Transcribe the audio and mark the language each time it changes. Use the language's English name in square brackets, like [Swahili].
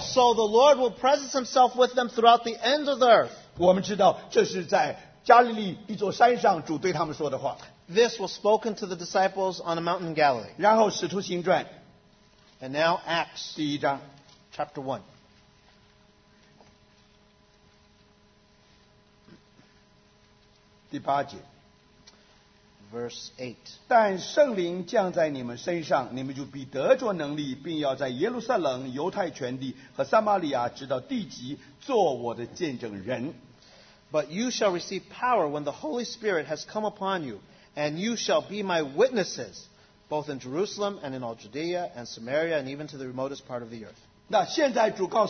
[English] So the Lord will presence Himself with them throughout the ends of the earth. [Chinese] 我们知道这是在 加利利一座山上主对他们说的话。 [English] This was spoken to the disciples on a mountain in Galilee. [Chinese] 然后使徒行传, [English] and now Acts [Chinese] 第一章, [English] chapter 1. Verse 8. [Chinese] 但圣灵降在你们身上, 你们就必得着能力, 并要在耶路撒冷, 犹太全地, 和撒玛利亚, 直到地极, 做我的见证人。 [English] But you shall receive power when the Holy Spirit has come upon you, and you shall be my witnesses, both in Jerusalem and in all Judea and Samaria and even to the remotest part of the earth.